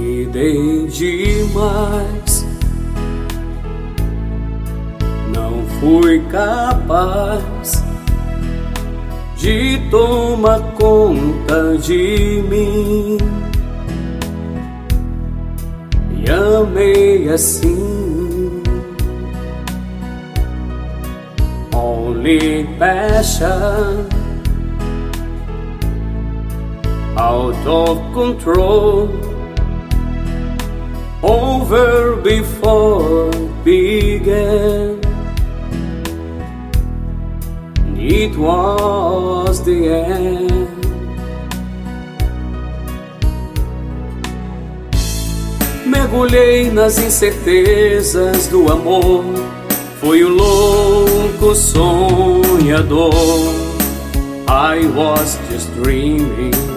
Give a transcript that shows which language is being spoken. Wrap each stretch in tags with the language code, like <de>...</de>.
<pt>Dei demais, não fui capaz de tomar conta de mim e amei assim.</pt> <en>Only passion, out of control. Over before began, it was the end.</en> <pt>Mergulhei nas incertezas do amor, fui um louco sonhador.</pt> <en>I was just dreaming.</en>